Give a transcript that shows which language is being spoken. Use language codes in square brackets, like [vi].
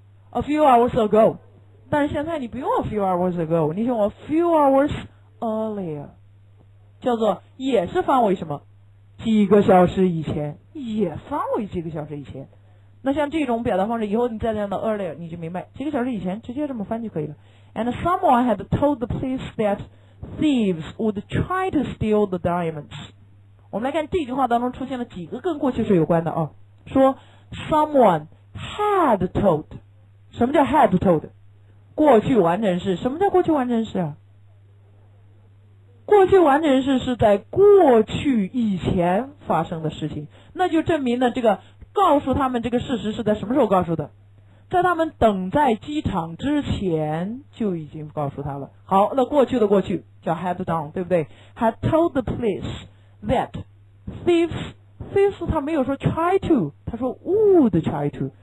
[en] a few hours ago， [zh] 但是现在你不用 a few hours ago， 你用 [en] a few hours earlier， [zh] 叫做也是范围什么？几个小时以前，也范围几个小时以前。那像这种表达方式，以后你再这样的 earlier， 你就明白几个小时以前直接这么翻就可以了。 [en] And someone had told the police that thieves would try to steal the diamonds. [zh] 我们来看这句话当中出现了几个跟过去式有关的啊，说 [en] someone had told， [zh] 什么叫 had told？过去完成式，什么叫过去完成式啊？过去完成式是在过去以前发生的事情，那就证明了这个告诉他们这个事实是在什么时候告诉的？在他们等在机场之前就已经告诉他了。好，那过去的过去叫 had done， 对不对？ [en] had told the police that thieves [zh] 他没有说 [en] try to， [zh] 他说 [en] would try to。